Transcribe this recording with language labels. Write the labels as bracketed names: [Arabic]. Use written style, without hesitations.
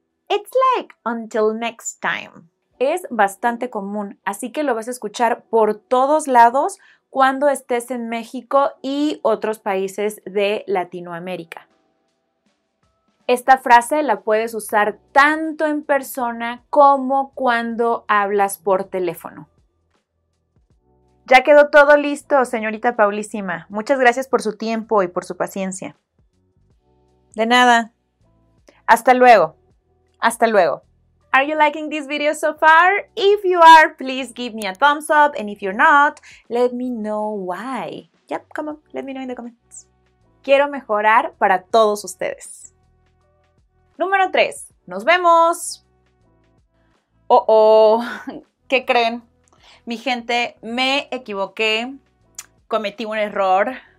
[English] It's like until next time. [Spanish] Es bastante común, así que lo vas a escuchar por todos lados cuando estés en México y otros países de Latinoamérica. Esta frase la puedes usar tanto en persona como cuando hablas por teléfono. Ya quedó todo listo, señorita Paulísima. Muchas gracias por su tiempo y por su paciencia. De nada. Hasta luego. Hasta luego. [English] Are you liking this video so far? If you are, please give me a thumbs up. And if you're not, let me know why. Yep, come on, let me know in the comments. [Spanish] Quiero mejorar para todos ustedes. Número 3. ¡Nos vemos! Oh, ¿qué creen? Mi gente, me equivoqué. Cometí un error.